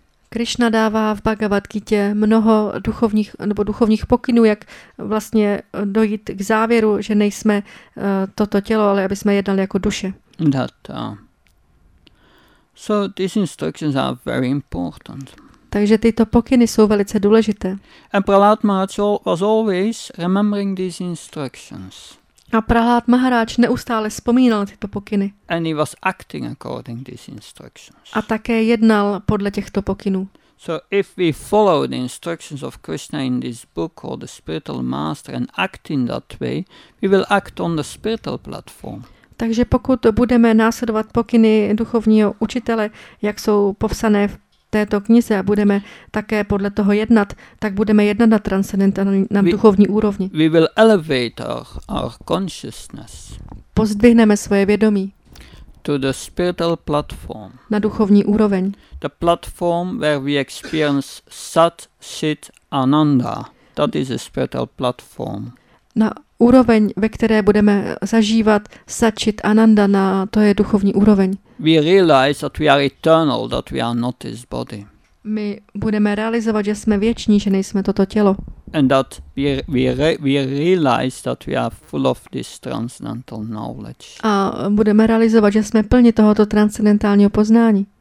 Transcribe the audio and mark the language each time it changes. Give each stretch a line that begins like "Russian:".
Czech: Krishna dává v Bhagavad Gita mnoho duchovních nebo duchovních pokynů, jak vlastně dojít k závěru, že nejsme toto tělo, ale aby jsme jednali jako duše.
English: So these instructions are very important.
Czech: Takže tyto pokyny jsou velice důležité.
English: And Prahlad Maharaj was always remembering these instructions.
Czech: A Prahlad Maharaj neustále vzpomínal tyto pokyny.
English: And he was acting according these instructions.
Czech: A také jednal podle těchto pokynů.
English: So if we follow the instructions of Krishna in this book or the spiritual master and act in that way, we will act on the spiritual platform.
Czech: Takže pokud budeme následovat pokyny duchovního učitele, jak jsou popsané v této knize, a budeme také podle toho jednat, tak budeme jednat na transcendentální, na duchovní úrovni.
English: We will elevate our consciousness.
Czech: Pozdvihneme svoje vědomí.
English: To the spiritual platform.
Czech: Na duchovní úroveň.
English: The platform where we experience sat, chit, ananda. That is a spiritual platform.
Czech: Na úroveň, ve které budeme zažívat sačit ananda, na to je duchovní úroveň.
English: We realize that we are eternal, that we are not this body.
Czech: My budeme realizovat, že jsme věční, že nejsme toto tělo.
English: And that we realize that we are full of this transcendental knowledge.
Czech: A budeme realizovat, že jsme plni tohoto transcendentálního poznání.